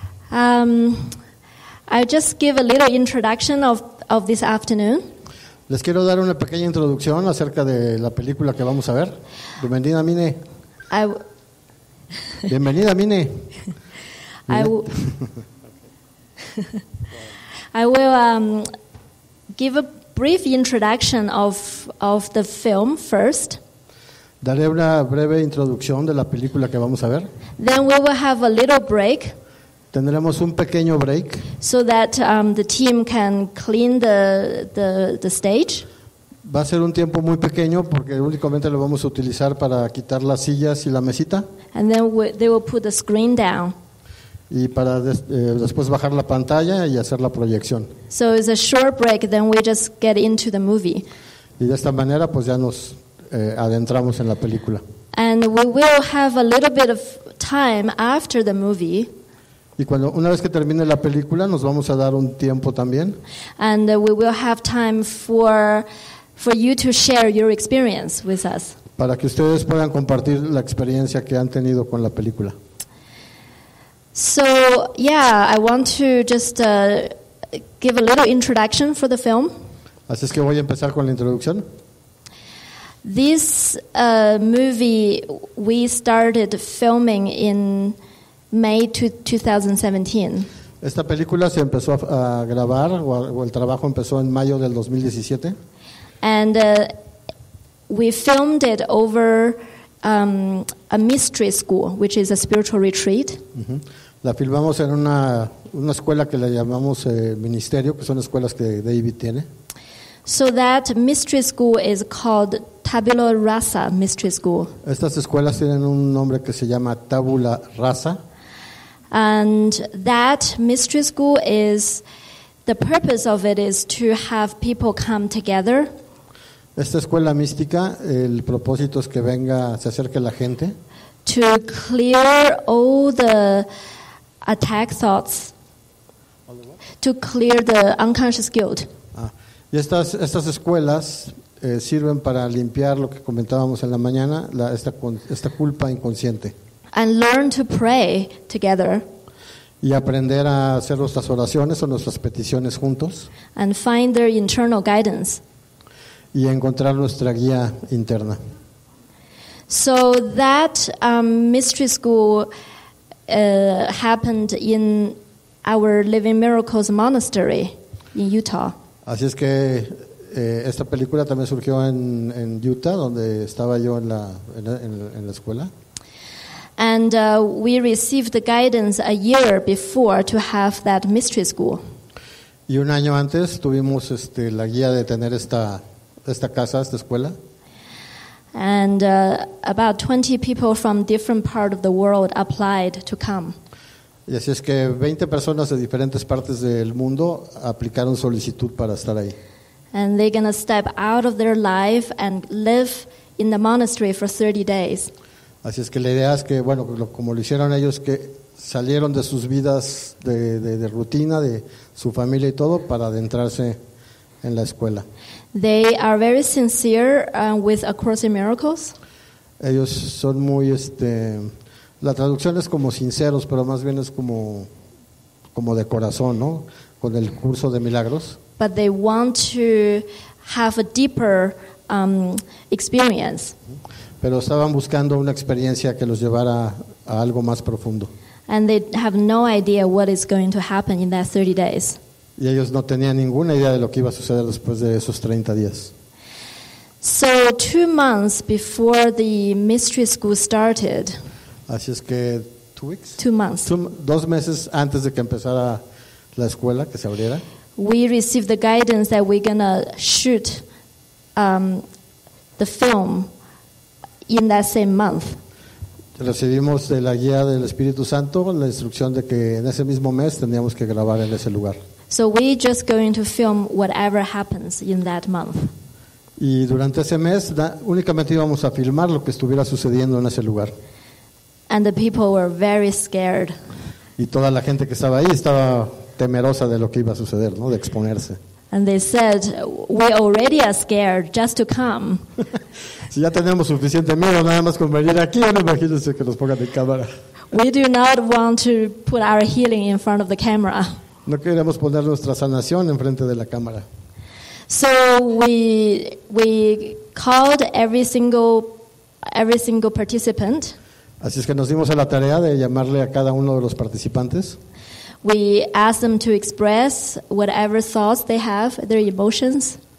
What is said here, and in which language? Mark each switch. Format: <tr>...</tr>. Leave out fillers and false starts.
<en>I'll just give a little introduction of this afternoon.</en> <es>Les quiero dar una pequeña introducción acerca de la película que vamos a ver. Bienvenida, Mine. Bienvenida, Mine.</es> <en>I will give a brief introduction of the film first.</en> <es>Daré una breve introducción de la película que vamos a ver.</es> <en>Then we will have a little break.</en> <es>Tendremos un pequeño break.</es> <en>So that the team can clean the stage.</en> <es>Va a ser un tiempo muy pequeño porque únicamente lo vamos a utilizar para quitar las sillas y la mesita.</es> <en>And then they will put the screen down.</en> <es>Y para después bajar la pantalla y hacer la proyección.</es> <en>So it's a short break, then we just get into the movie.</en> <es>Y de esta manera pues ya nos adentramos en la película.</es> <en>And we will have a little bit of time after the movie.</en> <es>Y cuando una vez que termine la película nos vamos a dar un tiempo también.</es> <en>And we will have time for you to share your experience with us.</en> <es>Para que ustedes puedan compartir la experiencia que han tenido con la película.</es> <en>So, yeah, I want to just give a little introduction for the film.</en> <es>Así es que voy a empezar con la introducción.</es> <en>This movie we started filming in May 2017.</en> <es>Esta película se empezó a grabar o el trabajo empezó en mayo del 2017.</es> <en>And we filmed it over a mystery school, which is a spiritual retreat. Uh-huh.</en> <es>La filmamos en una escuela que le llamamos ministerio, que son escuelas que David tiene.</es> <en>So that mystery school is called Tabula Rasa Mystery School.</en> <es>Estas escuelas tienen un nombre que se llama Tabula Rasa.</es> <en>And that mystery school is, the purpose of it is to have people come together.</en> <es>Esta escuela mística, el propósito es que venga, se acerque la gente.</es> <en>To clear all the attack thoughts. To clear the unconscious guilt.</en> <es>Y estas escuelas sirven para limpiar lo que comentábamos en la mañana, esta culpa inconsciente.</es> <en>And learn to pray together.</en> <es>Y aprender a hacer nuestras oraciones o nuestras peticiones juntos.</es> <en>And find their internal guidance.</en> <es>Y encontrar nuestra guía interna.</es> <en>So that mystery school happened in our Living Miracles Monastery in Utah.</en> <es>Así es que esta película también surgió en Utah, donde estaba yo en la escuela.</es> <en>And we received the guidance a year before to have that mystery school.</en> <es>Y un año antes tuvimos la guía de tener esta casa, esta escuela.</es> <en>And about 20 people from different part of the world applied to come.</en> <es>Y así es que 20 personas de diferentes partes del mundo aplicaron solicitud para estar ahí.</es> <en>And they're going to step out of their life and live in the monastery for 30 days.</en> <es>Así es que la idea es que, bueno, como lo hicieron ellos, que salieron de sus vidas de rutina, de su familia y todo, para adentrarse en la escuela.</es> <en>They are very sincere with A Course in Miracles.</en> <es>Ellos son muy la traducción es como sinceros, pero más bien es como de corazón, ¿no? Con el curso de milagros.</es> <en>But they want to have a deeper experience.</en> <es>Pero estaban buscando una experiencia que los llevara a algo más profundo.</es> <en>And they have no idea what is going to happen in that 30 days.</en> <es>Y ellos no tenían ninguna idea de lo que iba a suceder después de esos 30 días.</es> <en>So 2 months before the mystery school started.</en> <es>Así es que 2</es> <en>weeks. 2 months.</en> <es>2 meses antes de que empezara la escuela, que se abriera.</es> <en>We received the guidance that we're gonna shoot the film in that same month.</en> <es>Recibimos de la guía del Espíritu Santo la instrucción de que en ese mismo mes teníamos que grabar en ese lugar.</es> <en>So we're just going to film whatever happens in that month.</en> <es>Y durante ese mes únicamente íbamos a filmar lo que estuviera sucediendo en ese lugar.</es> <en>And the people were very scared.</en> <es>Y toda la gente que estaba ahí estaba temerosa de lo que iba a suceder, ¿no? De exponerse.</es> <en>And they said, we already are scared just to come.</en> <es>Si ya tenemos suficiente miedo nada más con venir aquí, no imagínense que nos pongan en cámara.</es> <en>We do not want to put our healing in front of the camera.</en> <es>No queremos poner nuestra sanación en frente de la cámara.</es> <en>So we called every single participant.</en> <es>Así es que nos dimos a la tarea de llamarle a cada uno de los participantes.</es> <en>We asked them to express whatever thoughts they have, their emotions.</en>